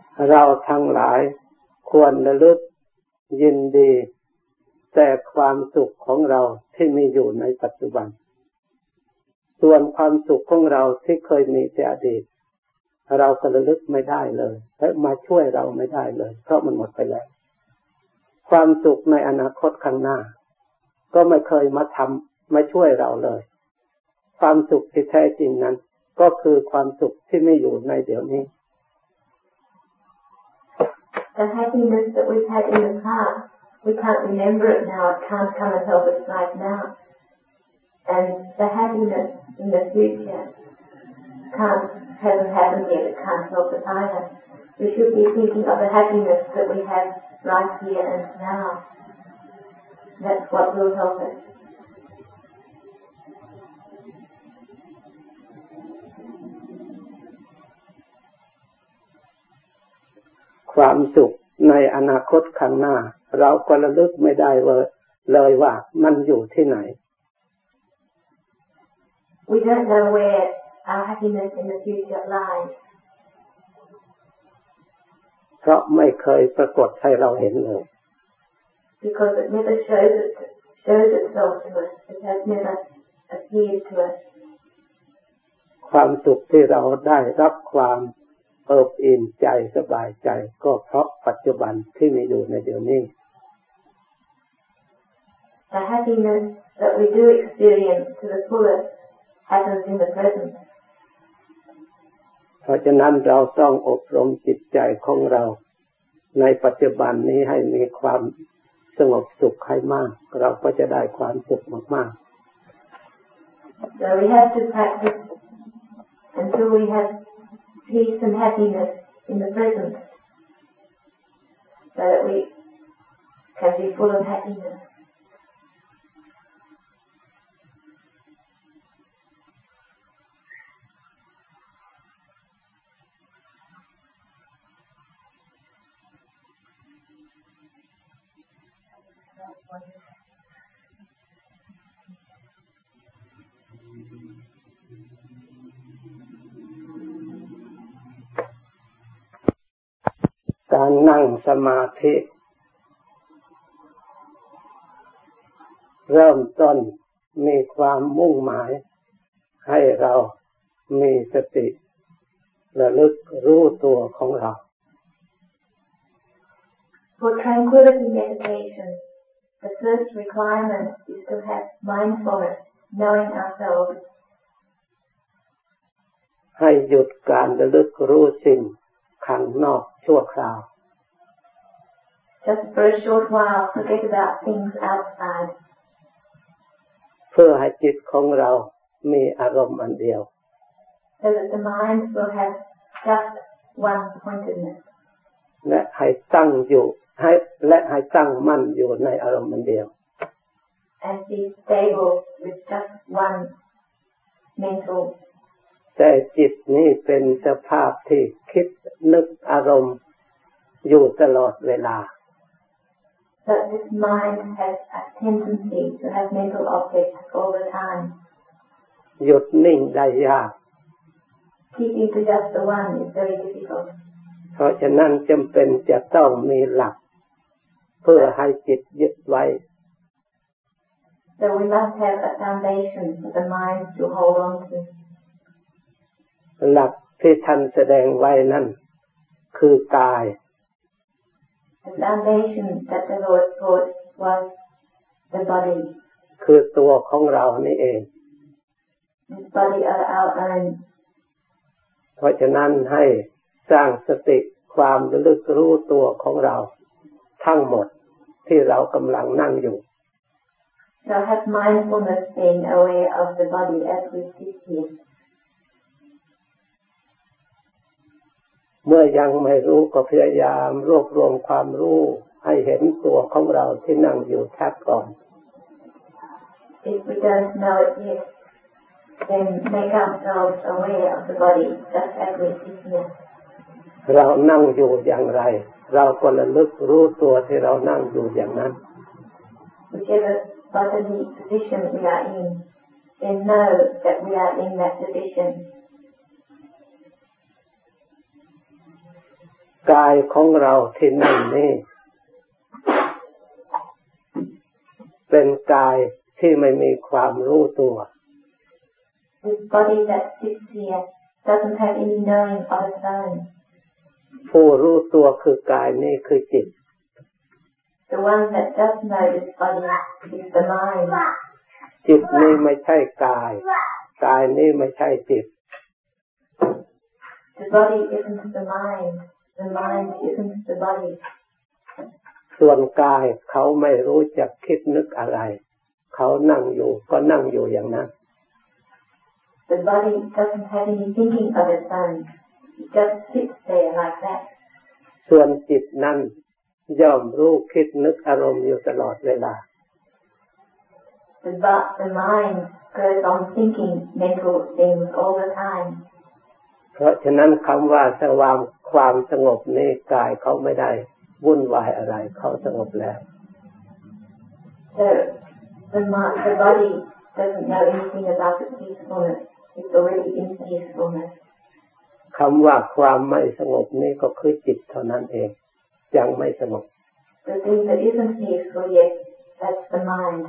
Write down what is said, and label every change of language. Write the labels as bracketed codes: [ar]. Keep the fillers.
[th] เราทั้งหลายควรระลึกยินดี แต่ความสุขของเราที่มีอยู่ในปัจจุบัน ส่วนความสุขของเราที่เคยมีแต่อดีต เราก็ระลึกไม่ได้เลย และมาช่วยเราไม่ได้เลย เพราะมันหมดไปแล้ว ความสุขในอนาคตข้างหน้า ก็ไม่เคยมาทำมาช่วยเราเลย ความสุขที่แท้จริงนั้น ก็คือความสุขที่ไม่อยู่ในเดี๋ยวนี้ [en] The happiness that we've had in the past, we can't remember it now. It can't come and help us right now. And the happiness in the future can't hasn't happened yet. It can't help us either. We should be thinking of the happiness that we have right here and now. That's what will help us. [th] ความสุขในอนาคตข้างหน้า เราก็ระลึกไม่ได้ว่าเลยว่ามันอยู่ที่ไหน [en] We don't know where our happiness in the future lies [th] เพราะไม่เคยปรากฏให้เราเห็นเลย [en] because it never shows it shows itself to us. It has never appeared to us. [th] ความสุขที่เราได้รับความเอิบอิ่มใจสบายใจ ก็เพราะปัจจุบันที่มีอยู่ในเดี๋ยวนี้ [en] The happiness that we do experience to the fullest happens in the present. [th] เพราะฉะนั้นเราต้องอบรมจิตใจของเรา ในปัจจุบันนี้ให้มีความสงบสุขให้มาก เราก็จะได้ความสุขมาก ๆ [en] So we have to practice until we have peace and happiness in the present, so that we can be full of happiness. [th] การนั่งสมาธิ เริ่มต้นมีความมุ่งหมาย ให้เรามีสติระลึกรู้ตัวของเรา [en] For tranquility meditation, the first requirement is to have mindfulness, knowing ourselves. [th] ให้หยุดการระลึกรู้สิ่งข้างนอกชั่วคราว [en] Just for a short while, forget about things outside [th] เพื่อให้จิตของเรามีอารมณ์อันเดียว [en] so that the mind will have just one pointedness [th] และให้ตั้งอยู่ให้และให้ตั้งมั่นอยู่ในอารมณ์อันเดียว [en] and be stable with just one mental. [th] แต่จิตนี่เป็นสภาพที่คิดนึกอารมณ์อยู่ตลอดเวลา [en] But this mind has a tendency to have mental objects all the time. [th] หยุดนิ่งได้ยาก [en] keeping to just the one is very difficult. [th] เพราะฉะนั้นจำเป็นจะต้องมีหลัก เพื่อให้จิตยึดไว้ [en] So we must have a foundation for the mind to hold on to. [th] หลักที่ท่านแสดงไว้นั่น คือกาย [en] The foundation that the Lord taught was the body. [th] คือตัวของเรานี่เอง [en] This body are our own. [th] เพราะฉะนั้นให้สร้างสติความระลึกรู้ตัวของเรา ทั้งหมดที่เรากำลังนั่งอยู่ [en] So have mindfulness being aware of the body as we sit here. [th] เมื่อยังไม่รู้ก็พยายามรวบรวมความรู้ให้เห็นตัวของเราที่นั่งอยู่แทบก่อน [en] If we don't know it yet, then make ourselves aware of the body just as we sit here. [th] เรานั่งอยู่อย่างไร เราก็ระลึกรู้ตัวที่เรานั่งอยู่อย่างนั้น [en] Whichever bodily position we are in, then know that we are in that position. [th] กายของเราที่นั่งนี่ เป็นกายที่ไม่มีความรู้ตัว [en] This body that sits here doesn't have any knowing of its own. [th] ผู้รู้ตัวคือกายนี่คือจิต [en] The one that does know this body is the mind. [th] จิตนี่ไม่ใช่กาย กายนี่ไม่ใช่จิต [en] The body isn't the mind. The mind isn't the body. [th] ส่วนกายเขาไม่รู้จักคิดนึกอะไร เขานั่งอยู่ก็นั่งอยู่อย่างนั้น [en] The body doesn't have any thinking of its own. It just sits there like that. [th] ส่วนจิตนั้นย่อมรู้คิดนึกอารมณ์อยู่ตลอดเวลา [en] The, bu- the mind goes on thinking mental things all the time. [th] เพราะฉะนั้นคำว่าสว่างความสงบในกายเขาไม่ได้วุ่นวายอะไรเขาสงบแล้ว [en] So the, mi- the body doesn't know anything about its peacefulness. It's already in peacefulness. [th] คำว่าความไม่สงบนี่ก็คือจิตเท่านั้นเอง ยังไม่สงบ [en] The thing that isn't peaceful yet, that's the mind.